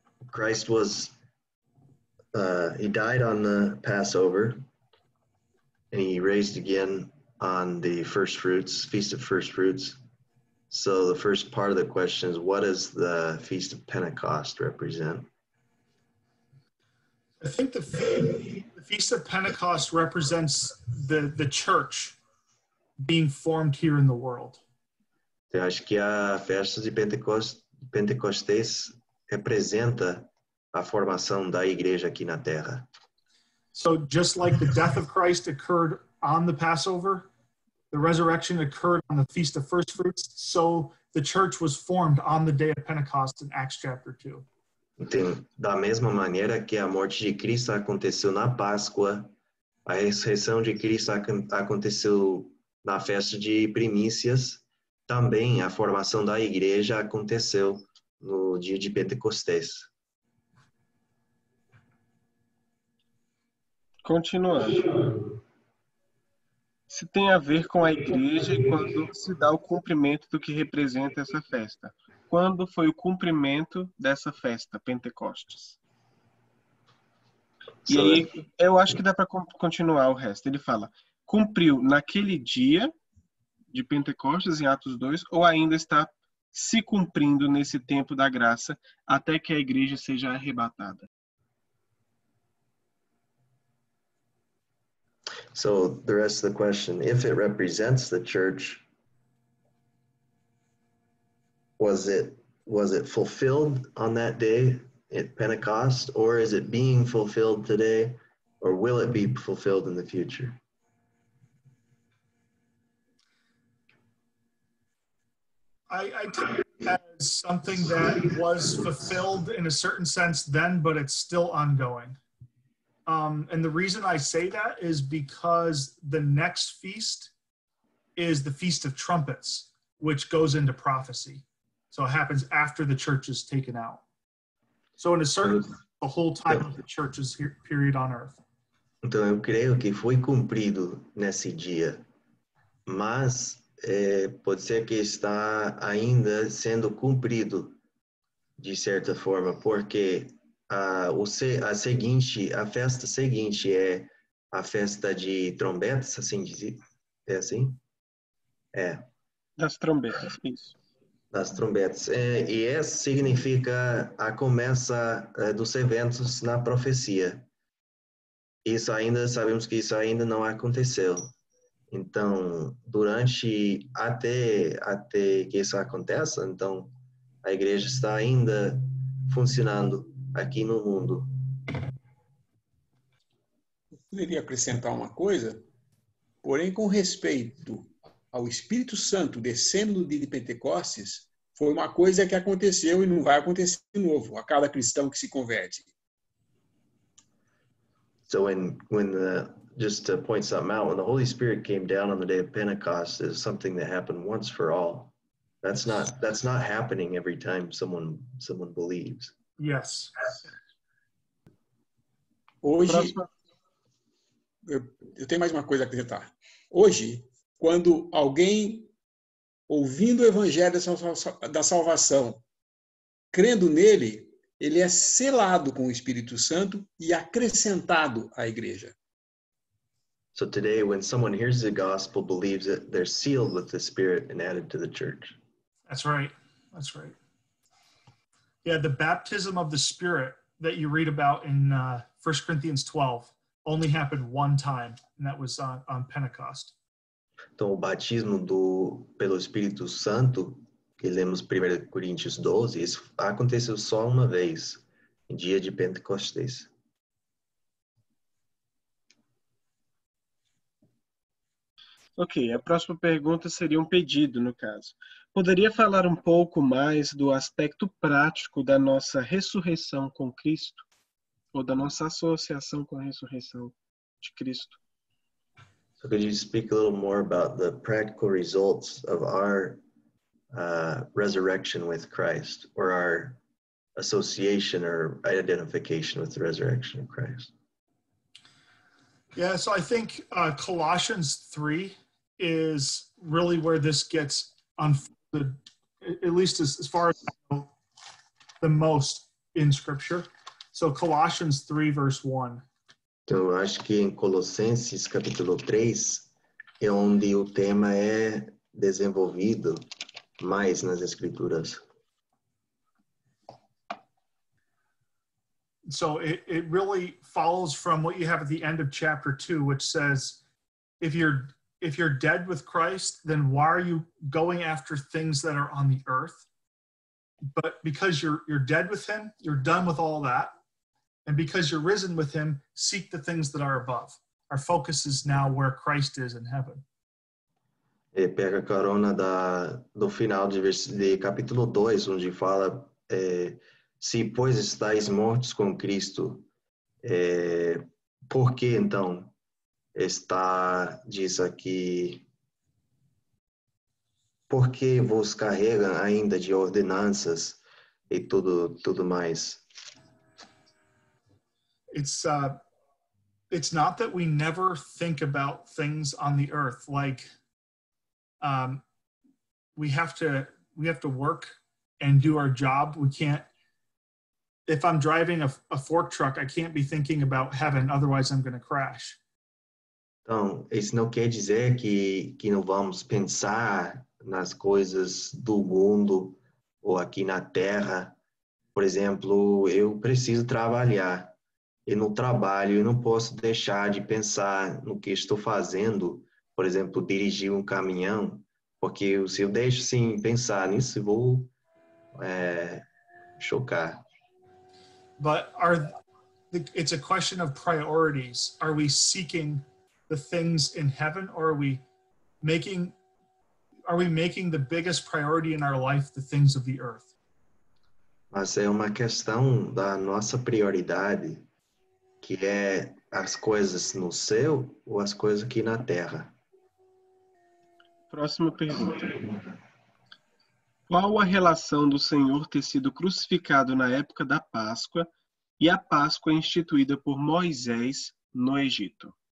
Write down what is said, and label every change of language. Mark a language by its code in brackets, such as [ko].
[en] Christ was he died on the Passover and he raised again on the first fruits, Feast of First Fruits. So the first part of the question is, what does the Feast of Pentecost represent? I think the Feast of Pentecost represents the church being formed here in the world. [pt] Eu acho que a festa de Pentecostes representa a formação da igreja aqui na terra. [en] So just like the death of Christ occurred on the Passover, the resurrection occurred on the Feast of First Fruits, so the church was formed on the day of Pentecost in Acts chapter 2. [pt] Então, da mesma maneira que a morte de Cristo aconteceu na Páscoa, a ressurreição de Cristo aconteceu na festa de primícias, também a formação da igreja aconteceu no dia de Pentecostes. Continuando. Se tem a ver com a igreja e quando se dá o cumprimento do que representa essa festa. Quando foi o cumprimento dessa festa, Pentecostes? E aí, eu acho que dá para continuar o resto. Ele fala, cumpriu naquele dia de Pentecostes, em Atos 2, ou ainda está se cumprindo nesse tempo da graça até que a igreja seja arrebatada? [en] So the rest of the question, if it represents the church, was it fulfilled on that day at Pentecost, or is it being fulfilled today, or will it be fulfilled in the future? Uh, I took it as something that was fulfilled in a certain sense then, but it's still ongoing. And the reason I say that is because the next feast is the Feast of Trumpets, which goes into prophecy. So it happens after the church is taken out. So in a certain the whole time of the church's period on earth. [pt] Então eu creio que foi cumprido nesse dia, mas pode ser que está ainda sendo cumprido de certa forma, porque a festa seguinte é a festa de trombetas, assim dizer, é assim? É. Das trombetas, isso. Das trombetas. E essa significa a começa dos eventos na profecia. Isso ainda, sabemos que isso ainda não aconteceu. Então, durante, até que isso aconteça, então, a igreja está ainda funcionando aqui no mundo. Eu poderia acrescentar uma coisa, porém, com respeito ao Espírito Santo descendo no dia de Pentecostes, foi uma coisa que aconteceu e não vai acontecer de novo a cada cristão que se converte. [en] So just to point something out, when the Holy Spirit came down on the day of Pentecost, it's something that happened once for all. That's not happening every time someone believes. Yes. [pt] Hoje, eu tenho mais uma coisa a acrescentar. Hoje, quando alguém ouvindo o evangelho da salvação, crendo nele, ele é selado com o Espírito Santo e acrescentado à igreja. [en] So today, when someone hears the gospel, believes it, they're sealed with the Spirit and added to the church. That's right. That's right. Yeah, the baptism of the Spirit that you read about in 1 Corinthians 12 only happened one time, and that was on Pentecost. [pt] Então, o batismo pelo Espírito Santo, que lemos 1 Coríntios 12, isso aconteceu só uma vez, em dia de Pentecostes. Ok, a próxima pergunta seria um pedido, no caso. Poderia falar um pouco mais do aspecto prático da nossa ressurreição com Cristo? Ou da nossa associação com a ressurreição de Cristo? [en] So could you speak a little more about the practical results of our resurrection with Christ? Or our association or identification with the resurrection of Christ? Yeah, so I think Colossians 3 is really where this gets unfolded, at least as far as I know, the most in Scripture. So Colossians 3, verse 1. [pt] Então, eu acho que em Colossenses, capítulo 3, é onde o tema é desenvolvido mais nas Escrituras. [en] So it really follows from what you have at the end of chapter 2, which says, if you're dead with Christ, then why are you going after things that are on the earth? But because you're dead with him, you're done with all that. And because you're risen with him, seek the things that are above. Our focus is now where Christ is in heaven. [pt] E pega carona do final de capítulo 2, onde fala, se pois estáis mortos com Cristo, por que então? Está, diz aqui, por que vos carregam ainda de ordenanças e tudo mais? [en] It's not that we never think about things on the earth, like we have to work and do our job. We can't, if I'm driving a fork truck, I can't be thinking about heaven, otherwise I'm going to crash. [pt] Então, isso não quer dizer que não vamos pensar nas coisas do mundo ou aqui na Terra. Por exemplo, eu preciso trabalhar. E no trabalho, eu não posso deixar de pensar no que estou fazendo. Por exemplo, dirigir um caminhão. Porque se eu deixo sim pensar nisso, eu vou chocar. [en] But it's a question of priorities. Are we seeking the things in heaven, or are we making, are we making the biggest priority in our life the things of the earth? [pt] Mas é uma questão da nossa prioridade, que é as coisas no céu ou as coisas aqui na terra. Próxima pergunta. Qual a relação do Senhor ter sido crucificado na época da Páscoa e a Páscoa instituída por Moisés no Egito?